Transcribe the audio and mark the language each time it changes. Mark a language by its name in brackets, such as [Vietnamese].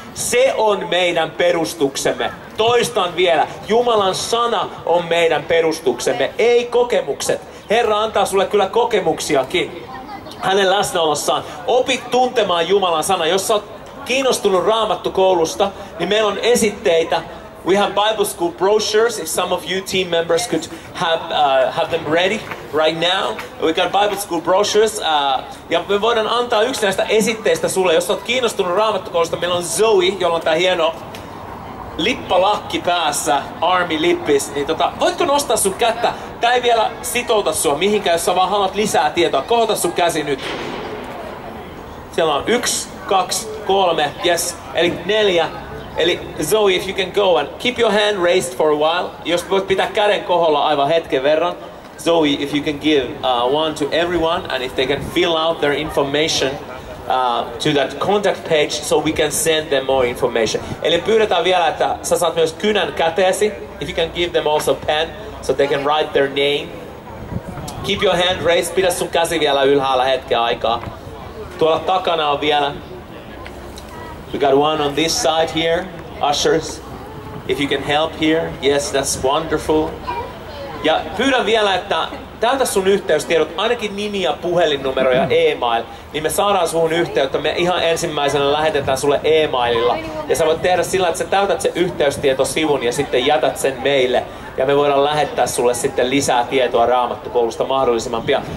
[Finnish] Se on meidän perustuksemme. Toistan vielä, Jumalan sana on meidän perustuksemme, ei kokemukset. Herra antaa sulle kyllä kokemuksiakin hänen läsnäolossaan. Opit tuntemaan Jumalan sana. Jos sä oot kiinnostunut Raamattukoulusta, niin meillä on esitteitä. [English] We have Bible school brochures, if some of you team members could have them ready right now. We got Bible school brochures. [Finnish] Ja me voidaan antaa yksi näistä esitteistä sulle. Jos olet kiinnostunut Raamattukoulusta, meillä on Zoe, jolla on tämä hieno lippalakki päässä, Army Lippis. Niin voitko nostaa sun kättä? Tämä ei vielä sitouta sua mihinkään, jos sä vaan haluat lisää tietoa. Kohota sun käsi nyt. Siellä on 1, 2, 3, yes, eli 4. [English] Eli Zoe, if you can go and keep your hand raised for a while. [Finnish] Jos voit pitää käden koholla aivan hetken verran. [English] Zoe, if you can give one to everyone and if they can fill out their information to that contact page so we can send them more information. [Finnish] Eli pyydetään vielä, että sä saat myös kynän käteesi. [English] If you can give them also pen so they can write their name. Keep your hand raised. [Finnish] Pidä sun käsi vielä ylhäällä hetken aikaa. Tuolla takana on vielä. [English] We got one on this side here, ushers. If you can help here, yes, that's wonderful. [Finnish] Ja pyydän vielä, että täytä sun yhteystiedot, ainakin nimi ja puhelinnumero ja e-mail, niin me saadaan suhun yhteyttä. Me ihan ensimmäisenä lähetetään sulle e-mailillä. Ja sä voit tehdä sillä, että sä täytät sen yhteystietosivun ja sitten jätät sen meille. Ja me voidaan lähettää sulle sitten lisää tietoa Raamattukoulusta mahdollisimman pian.